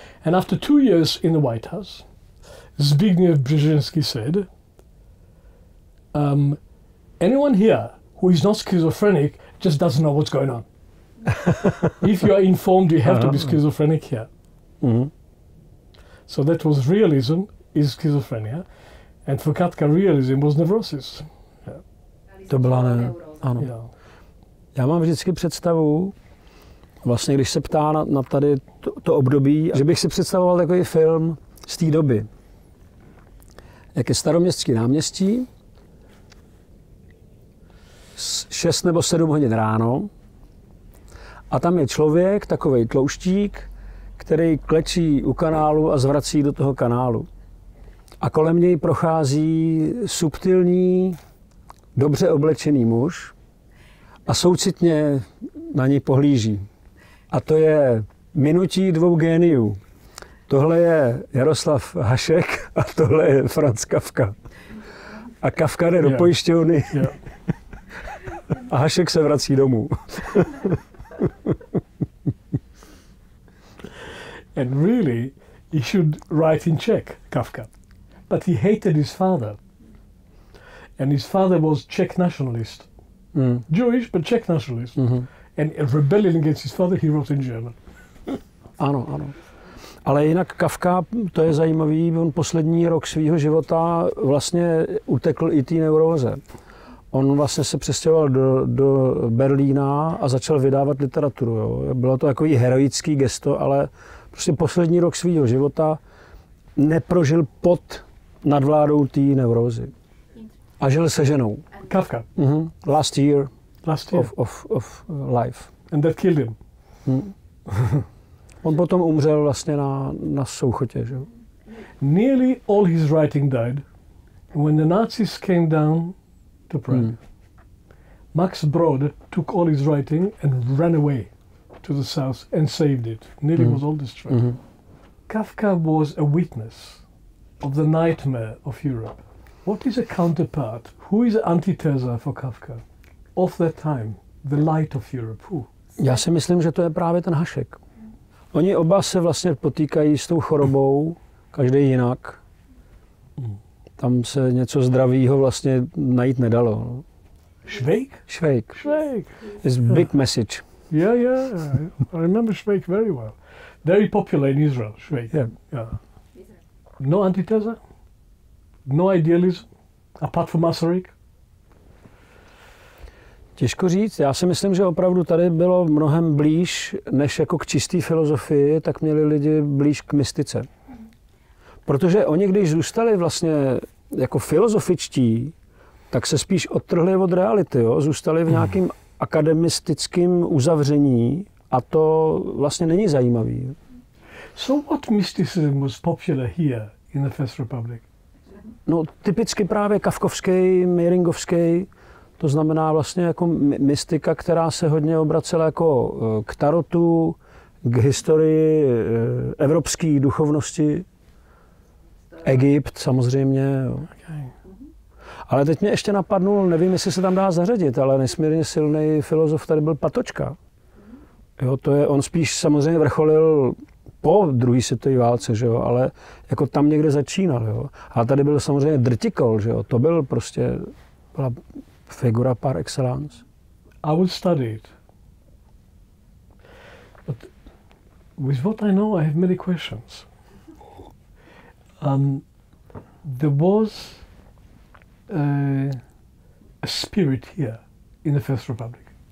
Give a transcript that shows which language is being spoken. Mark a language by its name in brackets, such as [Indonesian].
[English] And after 2 years in the White House, Zbigniew Brzeziński said, anyone here who is not schizophrenic just doesn't know what's going on. If you are informed, you have to be schizophrenic here. Mm-hmm. So that was realism is schizophrenia, and for Katka realism was neurosis. Yeah. [Czech] To byla ne, ano. [English] Yeah. [Czech] Já mám vždycky představu, vlastně když se ptá na tady to období, že bych si představoval takový film z té doby. Jak je staroměstský náměstí, 6 nebo 7 hodin ráno, a tam je člověk, takovej tlouštík, který klečí u kanálu a zvrací do toho kanálu. A kolem něj prochází subtilní, dobře oblečený muž a soucitně na něj pohlíží. A to je minutí dvou géniů. Tohle je Jaroslav Hašek a tohle je Franz Kafka. A Kafka jde do pojišťovny a Hašek se vrací domů. [English] And really, he should write in Czech, Kafka. But he hated his father. And his father was Czech nationalist. Mm. Jewish, but Czech nationalist. Mm-hmm. And a rebellion against his father, he wrote in German. [Czech] Ano, ano. Ale jinak Kafka, to je zajímavý, on poslední rok svého života vlastně utekl i té neuróze. On vlastně se přestěhoval do Berlína a začal vydávat literaturu. Jo. Bylo to takový heroický gesto, ale prostě poslední rok svého života neprožil pod nadvládou té neurózy. A žil se ženou. Kafka. [English] Mm-hmm. Last year. Of life. And that killed him. Hmm. [Czech] On potom umřel vlastně na souchotě. Že? [English] Nearly all his writing died when the Nazis came down to Prague. Mm. Max Brod took all his writing and ran away to the south and saved it. Nearly was all destroyed. Mm-hmm. Kafka was a witness of the nightmare of Europe. What is a counterpart? Who is an antithesis for Kafka of that time, the light of Europe? Who? [Czech] Já si myslím, že to je právě ten Hašek. Oni oba se vlastně potýkají s tou chorobou, každý jinak. Tam se něco zdravýho vlastně najít nedalo. Švejk. [English] It's a big message. Yeah. I remember Švejk very well. Very popular in Israel, Švejk. Yeah. No antithesis, no idealism, apart from Masaryk. [Czech] Těžko říct. Já si myslím, že opravdu tady bylo mnohem blíž, než jako k čistý filozofii, tak měli lidi blíž k mystice. Protože oni, když zůstali vlastně jako filozofičtí, tak se spíš odtrhli od reality, jo? Zůstali v nějakým akademistickým uzavření a to vlastně není zajímavý. So what mysticism was popular here in the First Republic? No typicky právě kafkovský, meiringovský, to znamená vlastně jako mystika, která se hodně obracela jako k tarotu, k historii evropské duchovnosti, Egypt samozřejmě. Ale teď mě ještě napadnul, nevím, jestli se tam dá zařadit, ale nesmírně silný filozof tady byl Patočka. Jo, to je, on spíš samozřejmě vrcholil po druhé světové válce, že jo, ale jako tam někde začínal. Jo. A tady byl samozřejmě Drtikol, že jo, to byl prostě, byla figura par excellence. [English] I would study it. But with what I know, I have many questions. There was a spirit here in the First Republic.